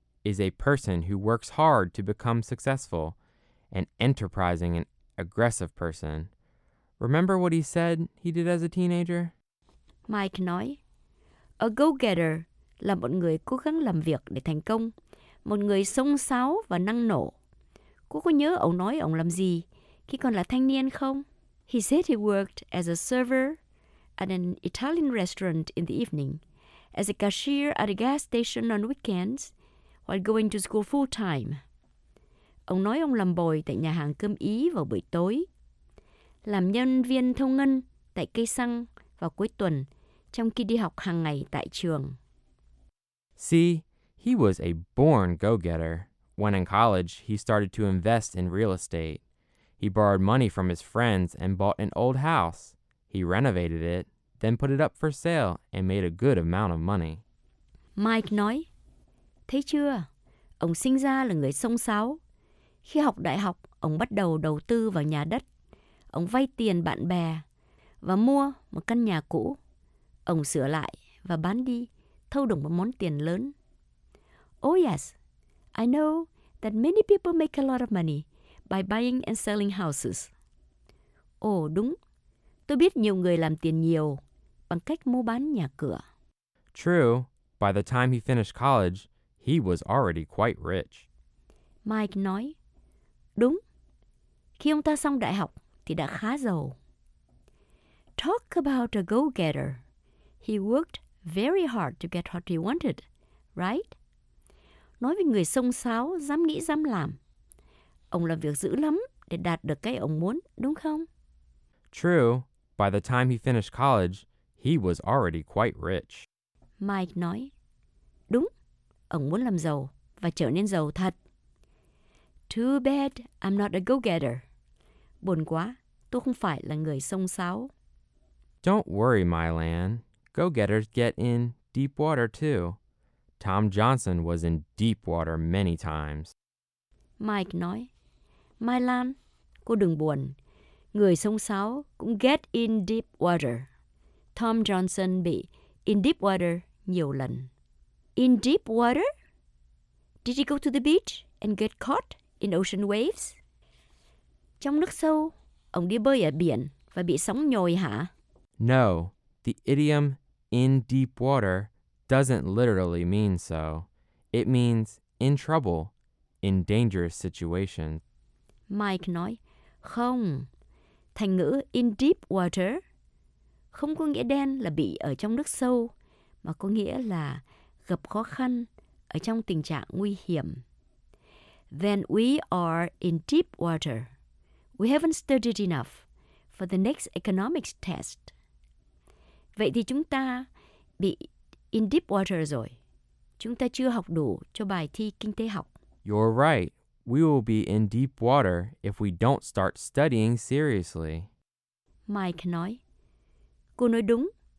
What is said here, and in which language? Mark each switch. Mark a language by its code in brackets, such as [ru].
[en] Is a person who works hard to become successful. An enterprising and aggressive person. Remember what he said he did as a teenager? [vi] Mike nói, [en] a go-getter [vi] là một người cố gắng làm việc để thành công, một người xông xáo và năng nổ. Cô có nhớ ông nói ông làm gì khi còn là thanh niên không? [en] He said he worked as a server at an Italian restaurant in the evening, as a cashier at a gas station on weekends, while going to school full-time. [vi] Ông nói ông làm bồi tại nhà hàng cơm Ý vào buổi tối, làm nhân viên thông ngân tại cây xăng vào cuối tuần trong khi đi học hàng ngày tại trường. [en] See, he was a born go-getter. When in college, he started to invest in real estate. He borrowed money from his friends and bought an old house. He renovated it, then put it up for sale and made a good amount of money. [vi] Mike nói, thấy chưa, ông sinh ra là người xông xáo. Khi học đại học, ông bắt đầu tư vào nhà đất. Ông vay tiền bạn bè và mua một căn nhà cũ. Ông sửa lại và bán đi, thâu được một món tiền lớn. [en] Oh yes, I know that many people make a lot of money by buying and selling houses. [vi] Oh, đúng. Tôi biết nhiều người làm tiền nhiều bằng cách mua bán nhà cửa. [en] True, by the time he finished college, he was already quite rich. [vi] Mike nói, đúng. Khi ông ta xong đại học, thì đã khá giàu. [en] Talk about a go-getter. He worked very hard to get what he wanted, right? [vi] Nói về người xông xáo, dám nghĩ dám làm. Ông làm việc dữ lắm để đạt được cái ông muốn, đúng không? [en] True. By the time he finished college, he was already quite rich. [vi] Mike nói, đúng. Ông muốn làm giàu và trở nên giàu thật. [en] Too bad I'm not a go-getter. [vi] Buồn quá, tôi không phải là người xông xáo. [en] Don't worry, Mylan. Go-getters get in deep water too. Tom Johnson was in deep water many times. [vi] Mike nói, Mylan, cô đừng buồn. Người xông xáo cũng [en] get in deep water. [vi] Tom Johnson bị [en] in deep water [vi] nhiều lần. [en] In deep water? Did he go to the beach and get caught in ocean waves? [vi] Trong nước sâu, ông đi bơi ở biển và bị sóng nhồi hả? [en] No, the idiom in deep water doesn't literally mean so. It means in trouble, in dangerous situation. [vi] Mike nói, không. Thành ngữ [en] in deep water [vi] không có nghĩa đen là bị ở trong nước sâu, mà có nghĩa là gặp khó khăn, ở trong tình trạng nguy hiểm. [en] Then we are in deep water. We haven't studied enough for the next economics test. [vi] Vậy thì chúng ta bị [en] in deep water [vi] rồi. Chúng ta chưa học đủ cho bài thi kinh tế học. [en] You're right. We will be in deep water if we don't start studying seriously. [vi] Mike nói, cô nói đúng.